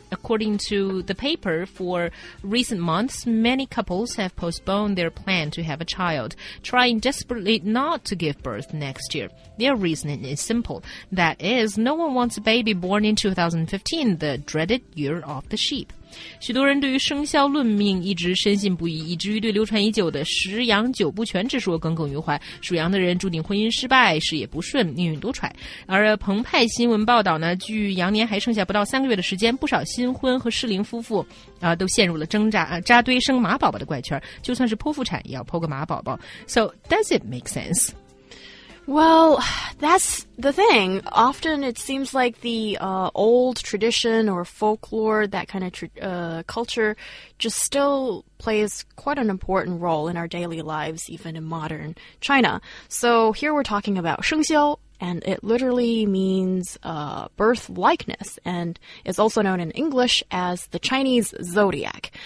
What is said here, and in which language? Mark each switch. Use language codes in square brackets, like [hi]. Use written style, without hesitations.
[en] According to the paper, for recent months, many couples have postponed their plan to have a child, trying desperately not to give birth next year. Their reasoning is simple. That is, no one wants a baby born in 2015, the dreaded year of the sheep. [zh] 许多人对于生肖论命一直深信不疑，以至于对流传已久的十羊九不全之说耿耿于怀。属羊的人注定婚姻失败，事业不顺，命运多舛。而澎湃新闻报道呢，距羊年还剩下不到三个月的时间，不少新婚和适龄夫妇都陷入了挣扎扎堆生马宝宝的怪圈，就算是剖腹产也要剖个马宝宝。 [en] So does it make sense? Well, that's the thing. Often it seems like the old tradition or folklore, that kind of culture, just still plays quite an important role in our daily lives, even in modern China. So here we're talking about 生肖, and it literally means birth likeness, and is also known in English as the Chinese zodiac.